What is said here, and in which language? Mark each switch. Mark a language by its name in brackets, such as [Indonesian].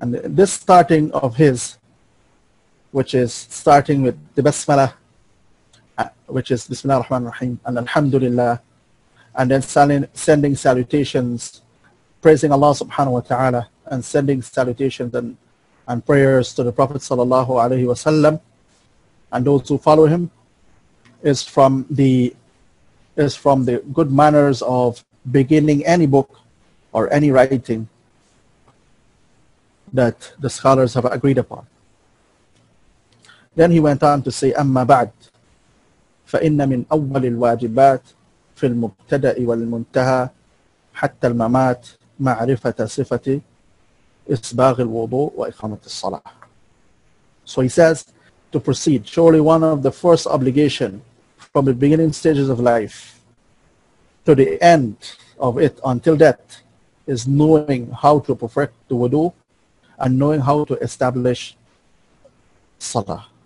[English] And this starting of his, which is starting with the basmala, which is Bismillah ar-Rahman ar-Rahim, and Alhamdulillah, and then sending salutations, praising Allah subhanahu wa ta'ala, and sending salutations and prayers to the Prophet sallallahu alayhi wa sallam, and those who follow him, is from the good manners of beginning any book or any writing that the scholars have agreed upon. [Arabic] Then he went on to say, أَمَّا بَعْدْ فَإِنَّ مِنْ أَوَّلِ الْوَاجِبَاتِ فِي الْمُبْتَدَئِ وَالْمُنْتَهَى حَتَّى الْمَمَاتِ مَعْرِفَةَ صِفَةِ إِصْبَاغِ الْوُضُوءِ وَإِخَامَةِ الصَّلَاةِ. [English] So he says, to proceed, surely one of the first obligation from the beginning stages of life to the end of it until death is knowing how to perfect the wudu and knowing how to establish salah.